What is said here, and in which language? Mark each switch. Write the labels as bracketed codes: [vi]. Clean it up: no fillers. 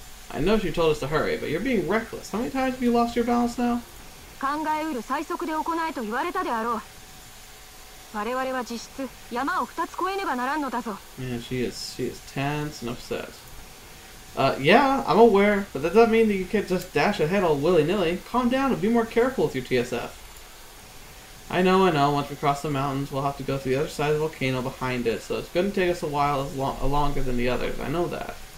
[en] I know she told us to hurry, but you're being reckless. How many times have you lost your balance now? [ja] 考えうる最速で行えと言われたであろう。我々は実質山を二つ越えねばならんのだぞ。 [en] Yeah, she is tense and upset. Yeah, I'm aware, but that doesn't mean that you can't just dash ahead all willy-nilly. Calm down and be more careful with your TSF. I know, once we cross the mountains, we'll have to go to the other side of the volcano behind it, so it's going to take us a while longer than the others, I know that.